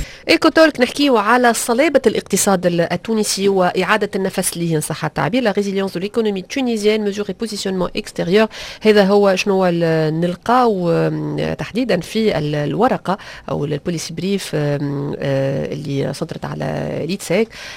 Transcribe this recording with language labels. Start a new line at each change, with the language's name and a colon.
Arabic: إيكوتولك نحكيه على صلابة الاقتصاد التونسي وإعادة النفس ليه إن صح التعبير.
French: La résilience de l'économie tunisienne, mesure et positionnement extérieur.
Arabic: هذا هو شنو نلقى تحديدا في الورقة أو البوليسي بريف اللي صدرت على ليتساك.